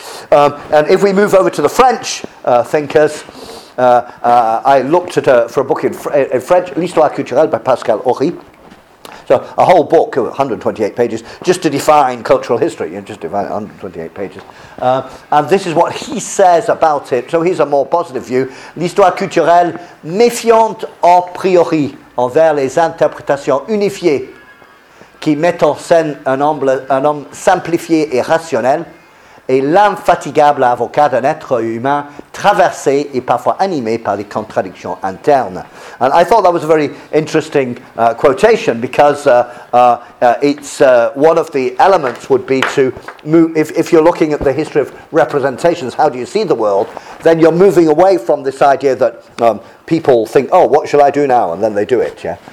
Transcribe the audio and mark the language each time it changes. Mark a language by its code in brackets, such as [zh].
[en] And if we move over to the French thinkers, I looked at for a book in French, L'Histoire culturelle by Pascal Horry. So a whole book, 128 pages, just to define cultural history, you know, just define 128 pages. And this is what he says about it. So here's a more positive view. [fr] L'histoire culturelle méfiante a priori envers les interprétations unifiées qui mettent en scène un homme simplifié et rationnel et l'infatigable avocat d'un être humain traversé et parfois animé par les contradictions internes. [en] And I thought that was a very interesting quotation, because it's one of the elements would be to move, if you're looking at the history of representations, how do you see the world, then you're moving away from this idea that people think, oh, what shall I do now? And then they do it, yeah?